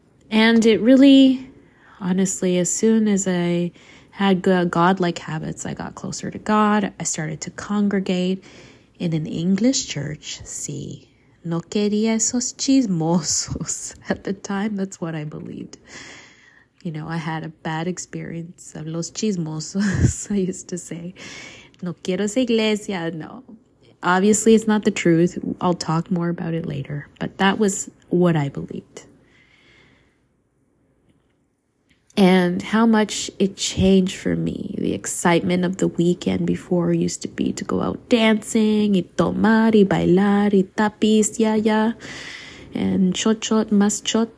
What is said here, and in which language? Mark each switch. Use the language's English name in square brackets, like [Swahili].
[English] And it really, honestly, as soon as I had God-like habits, I got closer to God. I started to congregate in an English church. [Spanish] See, no quería esos chismosos [English] at the time. That's what I believed. You know, I had a bad experience of [Spanish] los chismosos, [English] I used to say. [Spanish] No quiero esa iglesia, no. [English] Obviously, it's not the truth. I'll talk more about it later. But that was what I believed. And how much it changed for me. The excitement of the weekend before used to be to go out dancing, [Spanish] y tomar, y bailar, [English] y tapis, ya, and chot, mas chot.